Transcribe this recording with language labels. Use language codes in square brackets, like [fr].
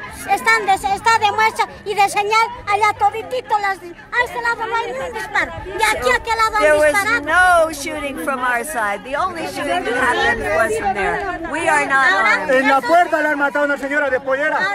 [es] Están de, está de muestra y de señal allá toditito las, a este lado no hay ningún disparo y aquí a aquel lado han disparado. [en] There was no shooting from our side. The only shooting that happened was from there. We are not armed. [es] En la puerta le han matado a una señora de pollera.